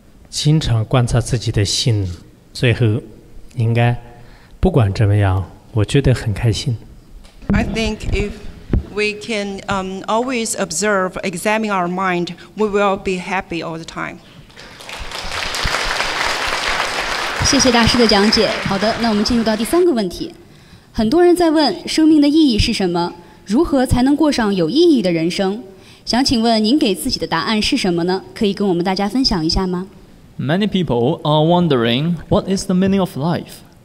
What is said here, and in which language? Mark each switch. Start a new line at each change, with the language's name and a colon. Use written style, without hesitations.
Chinese: 经常观察自己的心，最后应该不管怎么样，我觉得很开心。
English: I think if we can always observe, examine our mind, we will be happy all the time.
Chinese: 谢谢大师的讲解。好的，那我们进入到第三个问题。很多人在问生命的意义是什么，如何才能过上有意义的人生？想请问您给自己的答案是什么呢？可以跟我们大家分享一下吗？
English: Many people are wondering, what is the meaning of life?